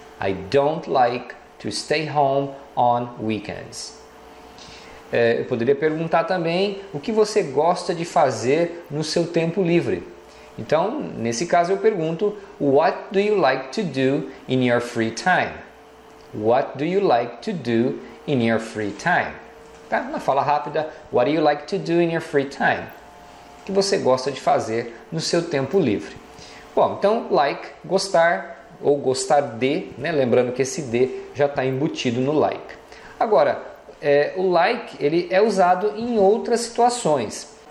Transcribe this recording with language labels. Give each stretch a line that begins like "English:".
English: I don't like to stay home on weekends.
Portuguese: Eu poderia perguntar também, o que você gosta de fazer no seu tempo livre? Então, nesse caso, eu pergunto,
English: what do you like to do in your free time? What do you like to do in your free time?
Portuguese: Tá? Uma fala rápida,
English: what do you like to do in your free time?
Portuguese: Que você gosta de fazer no seu tempo livre. Bom, então, like, gostar, ou gostar de, né? Lembrando que esse de já está embutido no like. Agora, o like, ele é usado em outras situações.